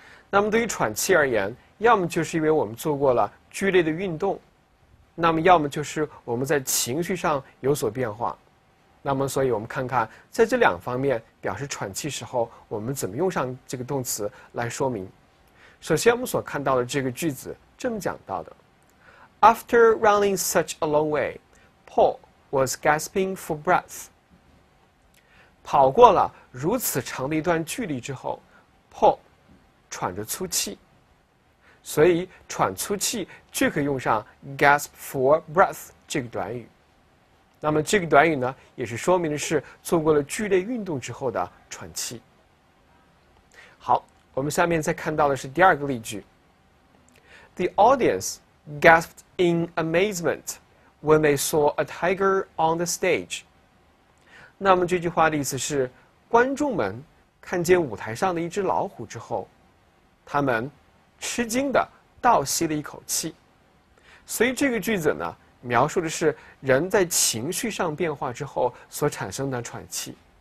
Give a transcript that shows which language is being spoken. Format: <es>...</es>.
<zh>那么对于喘气而言，要么就是因为我们做过了剧烈的运动，那么要么就是我们在情绪上有所变化。那么所以我们看看在这两方面表示喘气时候，我们怎么用上这个动词来说明。首先我们所看到的这个句子这么讲到的。</zh> <en>After running such a long way, Paul was gasping for breath.</en> <zh>跑过了如此长的一段距离之后， Paul 喘着粗气。所以喘粗气就可以用上</zh> <en>gasp for breath</en> <zh>这个短语。那么这个短语呢，也是说明的是做过了剧烈运动之后的喘气。好，我们下面再看到的是第二个例句。</zh> <en>The audience gasped in amazement when they saw a tiger on the stage.</en> <zh>那么这句话的意思是，观众们看见舞台上的一只老虎之后，他们吃惊地倒吸了一口气。所以这个句子呢，描述的是人在情绪上变化之后所产生的喘气。</zh>